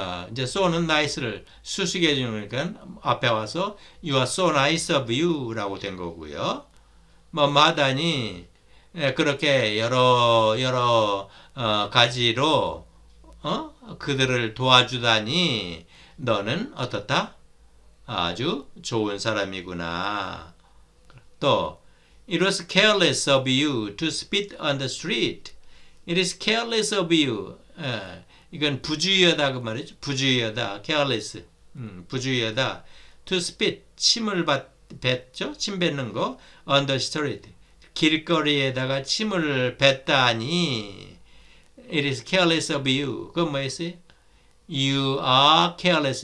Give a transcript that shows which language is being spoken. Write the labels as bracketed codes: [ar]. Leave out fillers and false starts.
[ko] 이제 so는 nice를 수식해 주니까 앞에 와서 [en] you are so nice of you [ko] 라고 된 거고요. 뭐 마다니 그렇게 여러 가지로 그들을 도와주다니 너는 어떻다? 아주 좋은 사람이구나. [en] 또 It was careless of you to spit on the street. It is careless of you. [ko] 이건 부주의하다 그 말이죠. 부주의하다, careless, 부주의하다. To spit, 침을 뱉죠. 침 뱉는 거. On the street, 길거리에다가 침을 뱉다니. [en] It is careless of you. [ko] 그건 뭐였어요? [en] You are careless.